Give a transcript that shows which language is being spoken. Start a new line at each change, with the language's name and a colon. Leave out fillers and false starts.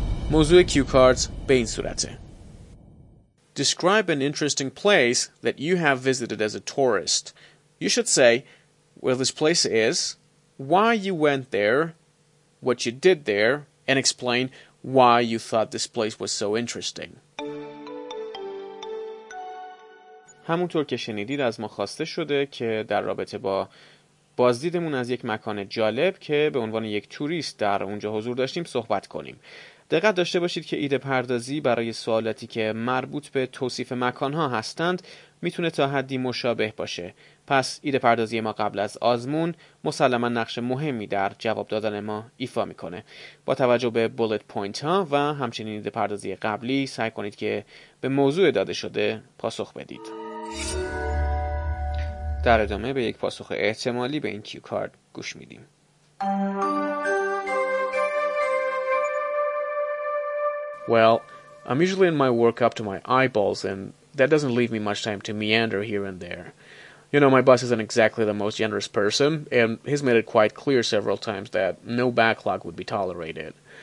Persian: موضوع کیو کارت به این صورته:
English: Describe an interesting place that you have visited as a tourist. You should say where this place is, why you went there, what you did there, and explain why you thought this place was so interesting.
Persian: همونطور که شنیدید از ما خواسته شده که در رابطه با بازدیدمون از یک مکان جالب که به عنوان یک توریست در اونجا حضور داشتیم صحبت کنیم. دقت داشته باشید که ایده پردازی برای سوالاتی که مربوط به توصیف مکانها هستند میتونه تا حدی مشابه باشه. پس ایده پردازی ما قبل از آزمون مسلماً نقش مهمی در جواب دادن ما ایفا میکنه. با توجه به بولت پوینت ها و همچنین ایده پردازی قبلی سعی کنید که به موضوع داده شده پاسخ بدید. در ادامه به یک پاسخ احتمالی به این کیو کارت گوش میدیم.
English: Well, I'm usually in my work up to my eyeballs, and that doesn't leave me much time to meander here and there. You know, my boss isn't exactly the most generous person, and he's made it quite clear several times that no backlog would be tolerated.